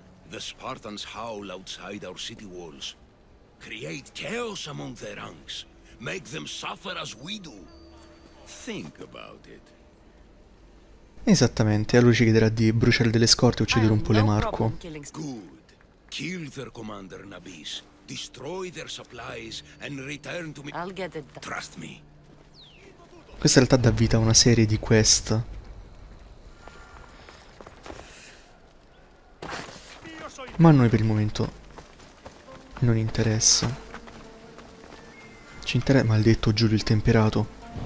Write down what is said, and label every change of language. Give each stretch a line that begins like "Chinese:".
English: The Spartans howl outside our city walls. Create chaos among their ranks. Make them suffer as we do. Think about it.
Italian: Esattamente, a lui ci chiederà di bruciare delle scorte e uccidere un Polemarco.
English: Good. Kill their commander Nabis. Destroy their supplies and return to me. I'll get it. Trust me.
Italian: Questa in realtà dà vita a una serie di quest. Ma a noi per il momento non interessa. Ci interessa, maledetto Giulio il Temperato.